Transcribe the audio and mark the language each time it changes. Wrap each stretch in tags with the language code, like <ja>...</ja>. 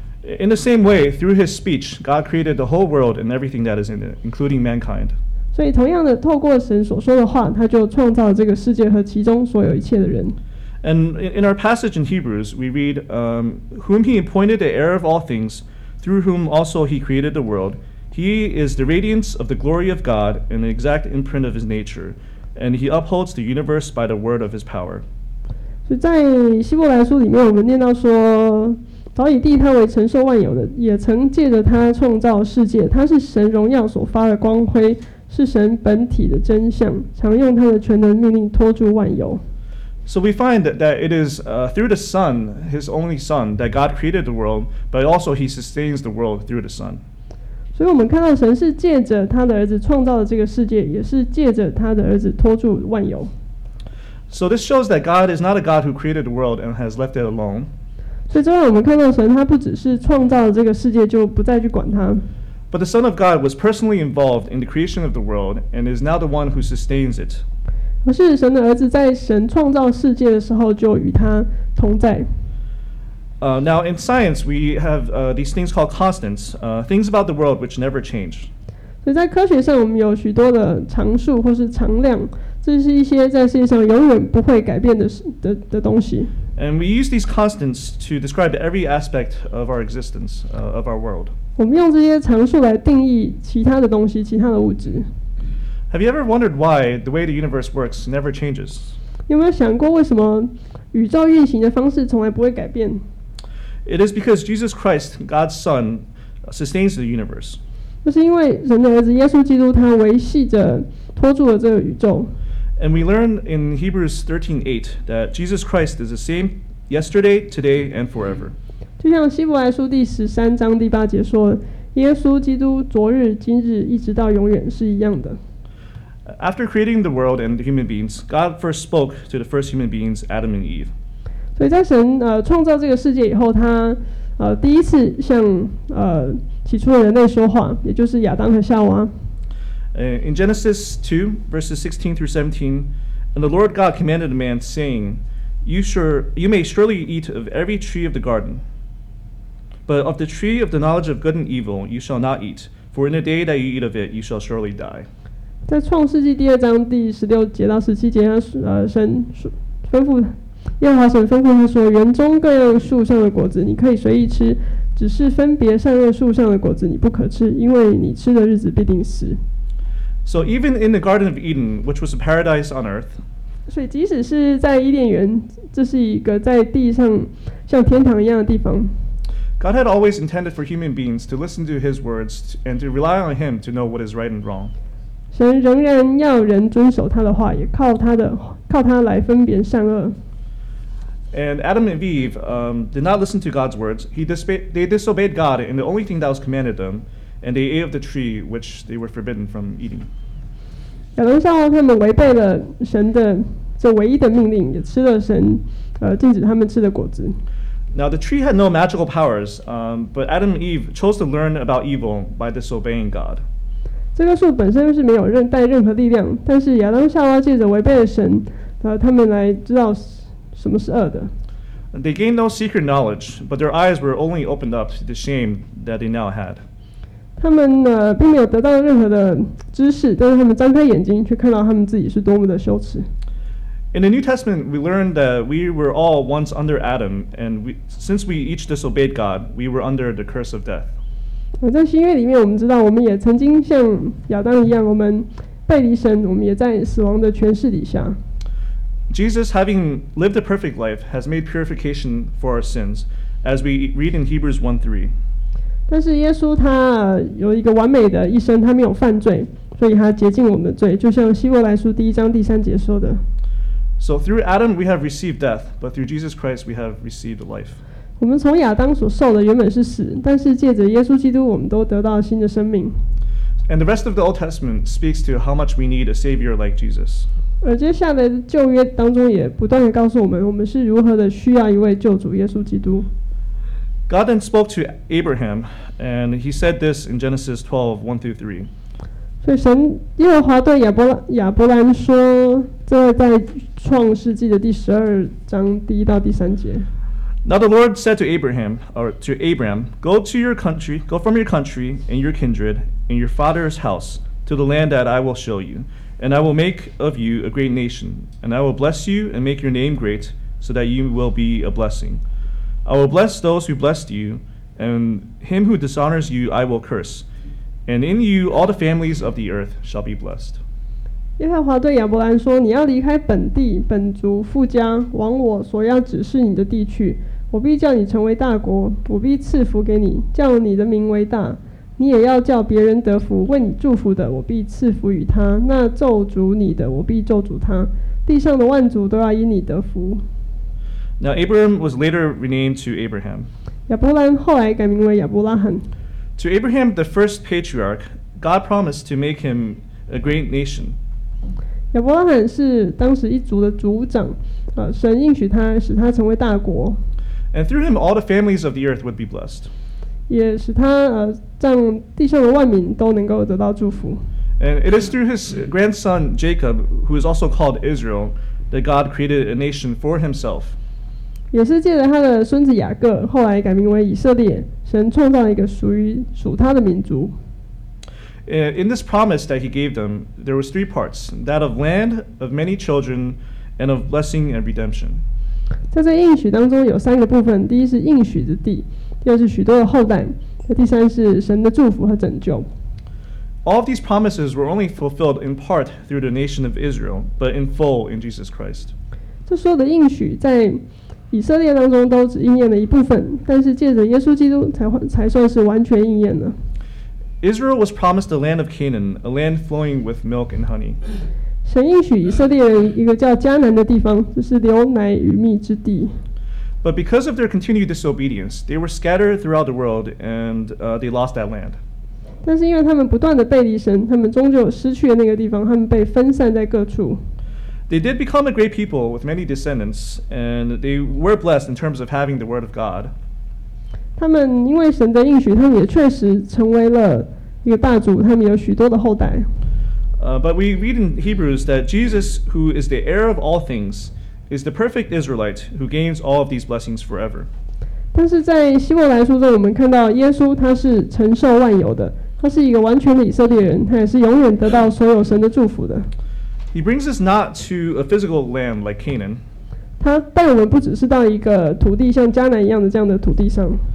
<en>In the same way, through His speech, God created the whole world and everything that is in it, including mankind.</en> <zh>所以同样的透过神所说的话他就创造了这个世界和其中所有一切的人。</zh> <en>And in our passage in Hebrews, we read, whom he appointed the heir of all things, through whom also he created the world. He is the radiance of the glory of God and the exact imprint of his nature. And he upholds the universe by the word of his power.</en> <zh>所以在希伯来书里面我们念到说早已立他为承受万有的也曾借着他创造世界他是神荣耀所发的光辉。是神本体的真相，常用他的全能命令托住万有。</zh> <en>So we find that it is through the Son, His only Son, that God created the world, but also He sustains the world through the Son.</en> <zh>所以我们看到神是借着他的儿子创造了这个世界，也是借着他的儿子托住万有。</zh> <en>So this shows that God is not a God who created the world and has left it alone.</en> <zh>所以这让我们看到神他不只是创造了这个世界就不再去管他。</zh> <en>But the Son of God was personally involved in the creation of the world and is now the one who sustains it.</en> <zh>而是神的儿子在神创造世界的时候就与他同在。</zh> <en>Now in science, we have these things called constants, things about the world which never change.</en> <zh>所以在科学上我们有许多的常数或是常量，这是一些在世界上永远不会改变 的东西。</zh> <en>And we use these constants to describe every aspect of our existence, of our world.</en> <zh>我们用这些常数来定义其他的东西，其他的物质。</zh> <en>Have you ever wondered why the way the universe works never changes?</en> <zh>你有没有想过为什么宇宙运行的方式从来不会改变？</zh> <en>It is because Jesus Christ, God's Son, sustains the universe.</en> <zh>那是因为神的儿子耶稣基督他维系着托住了这个宇宙。</zh> <en>And we learn in Hebrews 13:8 that Jesus Christ is the same yesterday, today, and forever.</en> <zh>就像希伯来书第十三章第八节说，耶稣基督昨日、今日、一直到永远是一样的。</zh> <en>After creating the world and the human beings, God first spoke to the first human beings, Adam and Eve.</en> <zh>所以在神创造这个世界以后，他第一次向起初的人类说话，也就是亚当和夏娃。</zh> <en>In Genesis 2, verses 16 through 17, and the Lord God commanded the man, saying, "You may surely eat of every tree of the garden." But of the tree of the knowledge of good and evil, you shall not eat. For in the day that you eat of it, you shall surely die.</en> <zh>在创世纪第二章第十六节到十七节，神吩咐耶和华神吩咐他说：园中各样树上的果子你可以随意吃，只是分别善恶树上的果子你不可吃，因为你吃的日子必定死。</zh> <en>So even in the Garden of Eden, which was a paradise on earth,</en> <zh>所以即使是在伊甸园，这是一个在地上像天堂一样的地方。</zh> <en>God had always intended for human beings to listen to His words and to rely on Him to know what is right and wrong.</en> <zh>神仍然要人遵守他的话，也靠他来分辨善恶。</zh> <en>And Adam and Eve did not listen to God's words. They disobeyed God in the only thing that was commanded them, and they ate of the tree which they were forbidden from eating.</en> <zh>亚当夏娃他们违背了神的这唯一的命令，也吃了神禁止他们吃的果子。</zh> <en>Now the tree had no magical powers, but Adam and Eve chose to learn about evil by disobeying God.</en> <zh>这棵树本身是没有带任何力量，但是亚当夏娃借着违背了神，他们来知道什么是恶的。</zh> <en>They gained no secret knowledge, but their eyes were only opened up to the shame that they now had.</en> <zh>他们并没有得到任何的知识，但是他们张开眼睛却看到他们自己是多么的羞耻。</zh> <en>In the New Testament, we learn that we were all once under Adam, and since we each disobeyed God, we were under the curse of death.</en> <zh>在新约里面，我们知道我们也曾经像亚当一样，我们背离神，我们也在死亡的权势底下。</zh> <en>Jesus, having lived a perfect life, has made purification for our sins, as we read in Hebrews 1:3.</en> <zh>但是耶稣他有一个完美的一生，他没有犯罪，所以他洁净我们的罪，就像希伯来书第一章第三节说的。</zh> <en>So through Adam we have received death, but through Jesus Christ we have received life.</en> <zh>我们从亚当所受的原本是死，但是借着耶稣基督，我们都得到新的生命。</zh> <en>And the rest of the Old Testament speaks to how much we need a Savior like Jesus.</en> <zh>而接下来的旧约当中也不断地告诉我们，我们是如何的需要一位救主耶稣基督。</zh> <en>God then spoke to Abraham, and he said this in Genesis 12:1-3.</en> <zh>所以神耶和华对亚伯兰说，这在创世纪的第十二章第一到第三节。</zh> <en>Now the Lord said to Abraham, or to Abram, go to your country, go from your country and your kindred and your father's house to the land that I will show you, and I will make of you a great nation, and I will bless you and make your name great, so that you will be a blessing. I will bless those who blessed you, and him who dishonors you I will curse. And in you, all the families of the earth shall be blessed.</en> <zh>耶和华对亚伯兰说：“你要离开本地、本族、父家，往我所要指示你的地去。我必叫你成为大国，我必赐福给你，叫你的名为大。你也要叫别人得福。为你祝福的，我必赐福与他；那咒诅你的，我必咒诅他。地上的万族都要因你得福。”</zh> <en>Now Abram was later renamed to Abraham.</en> <zh>亚伯兰后来改名为亚伯拉罕。</zh> <en>To Abraham, the first patriarch, God promised to make him a great nation.</en> <zh>亚伯拉罕是当时一族的族长，神应许他，使他成为大国。</zh> <en>And through him, all the families of the earth would be blessed.</en> <zh>也使他让地上的万民都能够得到祝福。</zh> <en>And it is through his grandson Jacob, who is also called Israel, that God created a nation for himself.</en> <zh>也是借着他的孙子雅各，后来改名为以色列，神创造了一个属他的民族。</zh> <en>In this promise that he gave them, there were three parts: that of land, of many children, and of blessing and redemption.</en> <zh>在这应许当中有三个部分：第一是应许之地，第二是许多的后代，第三是神的祝福和拯救。</zh> <en>All of these promises were only fulfilled in part through the nation of Israel, but in full in Jesus Christ.</en> <zh>这所有的应许在以色列当中都只应验了一部分，但是借着耶稣基督才算是完全应验了。</zh> <en>Israel was promised the land of Canaan, a land flowing with milk and honey.</en> <zh>神应许以色列人一个叫迦南的地方，就是流奶与蜜之地。</zh> <en>But because of their continued disobedience, they were scattered throughout the world and they lost that land.</en> <zh>但是因为他们不断的背离神，他们终究失去了那个地方，他们被分散在各处。</zh> <en>They did become a great people with many descendants, and they were blessed in terms of having the word of God.</en> <zh>他们因为神的应许，他们也确实成为了一个大族，他们有许多的后代。</zh> <en>But we read in Hebrews that Jesus, who is the heir of all things, is the perfect Israelite who gains all of these blessings forever.</en> <zh>但是在希伯来书中，我们看到耶稣他是承受万有的，他是一个完全的以色列人，他也是永远得到所有神的祝福的。</zh> <en>He brings us not to a physical land like Canaan.</en> <zh>他带我们不只是到一个土地，像迦南一样的这样的土地上。</zh>